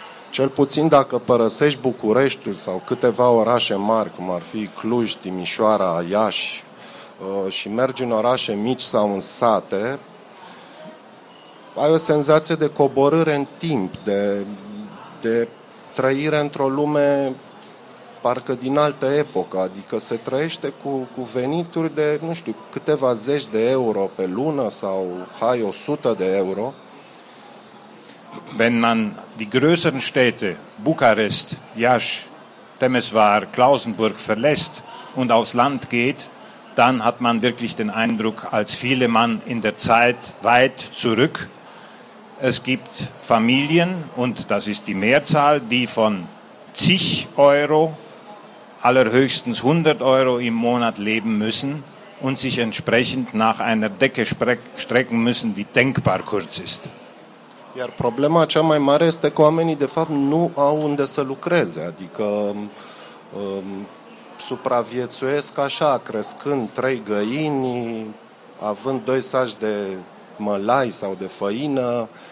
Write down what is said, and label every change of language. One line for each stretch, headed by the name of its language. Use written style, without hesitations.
Romanian: Cel puțin dacă părăsești Bucureștiul sau câteva orașe mari, cum ar fi Cluj, Timișoara, Iași, și mergi în orașe mici sau în sate, ai o senzație de coborâre în timp, de trăire într-o lume parcă din altă epocă, adică se trăiește cu venituri de, nu știu, câteva zeci de euro pe lună sau, hai, 100 de euro.
German: Wenn man die größeren Städte Bukarest, Iași, Temeswar, Klausenburg verlässt und aufs Land geht, dann hat man wirklich den Eindruck, als fiele man in der Zeit weit zurück. Es gibt Familien, und das ist die Mehrzahl, die von zig Euro, allerhöchstens 100 Euro im Monat leben müssen. und sich entsprechend nach einer Decke strecken müssen, die denkbar kurz ist.
Romanian: Iar problema cea mai mare este că oamenii de fapt nu au unde să lucreze, adică supraviețuiesc așa, crescând trei găini, având doi saci de mălai sau de făină,